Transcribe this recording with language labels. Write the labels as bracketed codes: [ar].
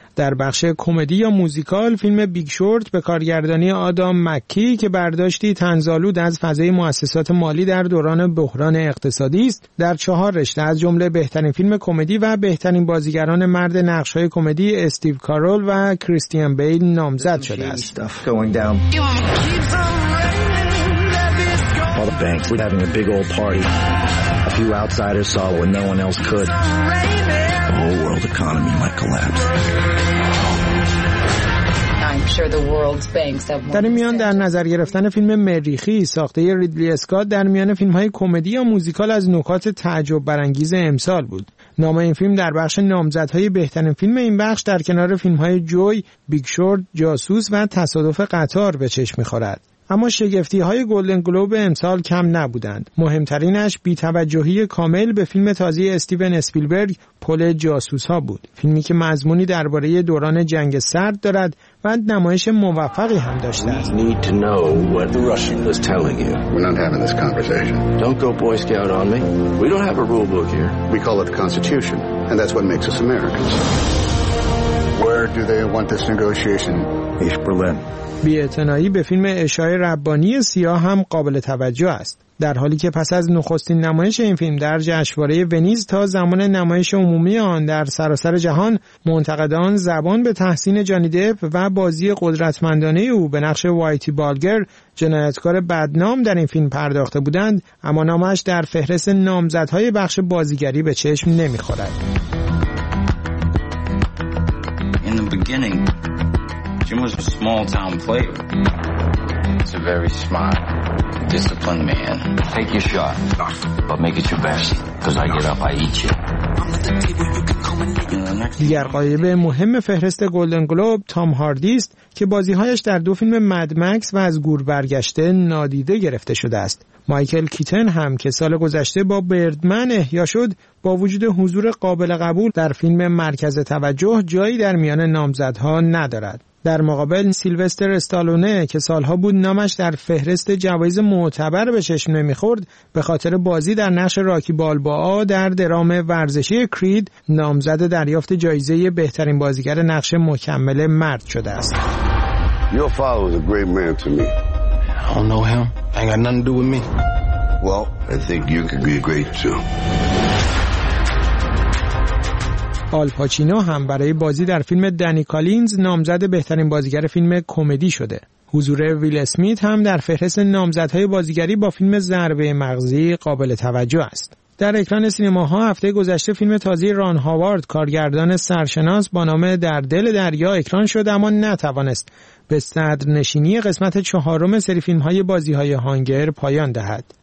[fa] در بخش کمدی یا موزیکال، فیلم بیگ شورت به کارگردانی آدام مکی که برداشتی طنزآلود از فضای مؤسسات مالی در دوران بحران اقتصادی است، در 4 رشته از جمله بهترین فیلم کمدی و بهترین بازیگران مرد نقش‌های کمدی استیو کارول و کریستیان بیل نامزد شده است. [en] All the banks were having a big old party. A few outsiders saw what no one else could. The whole world economy might collapse. [fa] در میان در نظر گرفتن فیلم مریخی ساخته ریدلی اسکات در میان فیلم‌های کمدی یا موزیکال از نکات تعجب برانگیز امسال بود. نام این فیلم در بخش نامزدهای بهترین فیلم این بخش در کنار فیلم‌های جوی، بیگ شورت، جاسوس و تصادف قطار به چشم می‌خورد. اما شگفتی‌های گلدن گلوب امسال کم نبودند. مهمترینش بی‌توجهی کامل به فیلم تازه استیون اسپیلبرگ پل جاسوس‌ها بود. فیلمی که مضمونی درباره دوران جنگ سرد دارد و نمایش موفقی هم داشته است. [en] We need to know what the Russian is telling you. We're not having this conversation. Don't go boy scout on me. We don't have a rule book here. We call it the Constitution, and that's what makes us Americans. Where do they want this negotiation ایش Berlin. [fa] بی‌اعتنایی به فیلم اشای ربانی سیاه هم قابل توجه است، در حالی که پس از نخستین نمایش این فیلم در جشنواره ونیز تا زمان نمایش عمومی آن در سراسر جهان، منتقدان زبان به تحسین جانی دپ و بازی قدرتمندانه او به نقش وایتی بالگر، جنایتکار بدنام در این فیلم پرداخته بودند، اما نامش در فهرست نامزدهای بخش بازیگری به چشم نمی‌خورد. [en] In the beginning, Jim was a small town player. He's a very smart, disciplined man. Take your shot, but make it your best, because I get up, I eat you. [fa] دیگر غایب مهم فهرست گلدن گلوب تام هاردی است که بازیهایش در دو فیلم مد مکس و از گور برگشته نادیده گرفته شده است. مایکل کیتن هم که سال گذشته با بردمن احیا شد، با وجود حضور قابل قبول در فیلم مرکز توجه جایی در میان نامزدها ندارد. در مقابل سیلوستر استالونه که سالها بود نامش در فهرست جوایز معتبر به چشم نمی‌خورد، به خاطر بازی در نقش راکی بالبا در درام ورزشی کرید نامزد دریافت جایزه بهترین بازیگر نقش مکمل مرد شده است. [en] Your father was a great man to me. I don't know him. I got nothing to do with me. Well, I think you could be great too. [fa] آل پاچینو هم برای بازی در فیلم دنی کالینز نامزد بهترین بازیگر فیلم کمدی شده. حضور ویل اسمیت هم در فهرست نامزدهای بازیگری با فیلم ضربه مغزی قابل توجه است. در اکران سینماها هفته گذشته فیلم تازه ران هاوارد کارگردان سرشناس با نام در دل دریا اکران شد، اما نتوانست به صدر نشینی قسمت چهارم سری فیلم‌های بازی‌های هانگر پایان دهد.